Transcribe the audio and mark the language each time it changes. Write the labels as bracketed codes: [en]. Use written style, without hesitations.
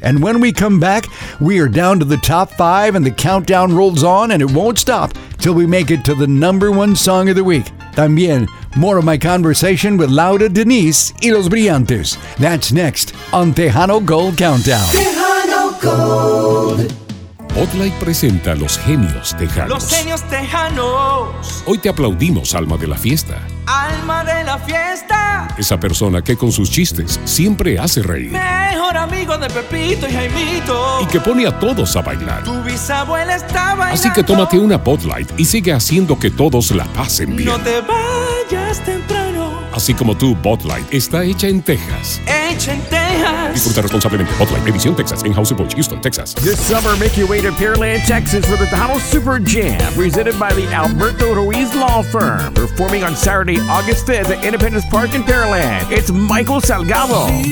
[en] And when we come back, we are down to the top 5 and the countdown rolls on and it won't stop till we make it to the number 1 song of the week. También, more of my conversation with Laura Denise y Los Brillantes. That's next on Tejano Gold Countdown. Tejano Gold. [es] Botlight presenta los genios tejanos. Los genios tejanos. Hoy te aplaudimos, alma de la fiesta. Alma de la fiesta. Esa persona que con sus chistes siempre hace reír. Mejor amigo de Pepito y Jaimito. Y que pone a todos a bailar. Tu bisabuela está bailando. Así que tómate una Botlight y sigue haciendo que todos la pasen bien. No te vayas temprano. Así como tú, Botlight está hecha en Texas. Hecha en Texas. Disfruta responsablemente. Botlight, edición Texas, en House of Bush, Houston, Texas. [en] This summer, make your way to Pearland, Texas for the Tejano Super Jam, presented by the Alberto Ruiz Law Firm. Performing on Saturday, August 5th at Independence Park in Pearland. It's Michael Salgado.